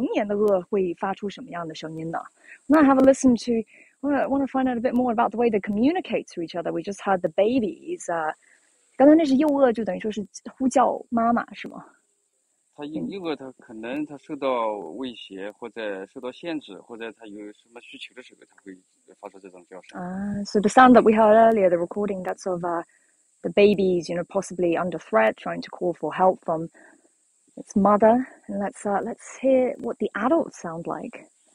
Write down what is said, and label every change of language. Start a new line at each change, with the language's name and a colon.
Chinese: 那之前您给我们听到的是那个小小鳄鱼的幼鳄的声音。那这个扬子鳄它大了，就成年的鳄会发出什么样的声音呢？
English: I'm gonna have a listen to. I want to find out a bit more about the way they communicate to each other. We just heard the babies.
Chinese: 刚才那是幼鳄，就等于说是呼叫妈妈，是吗？它幼鳄，它可能它受到威胁或者受到限制，或者它有什么需求的时候，它会发出这种叫声。
English: So the sound that we heard earlier, the recording, that's of the babies, you know, possibly under threat, trying to call for help from its mother. And let's hear what the adults sound like.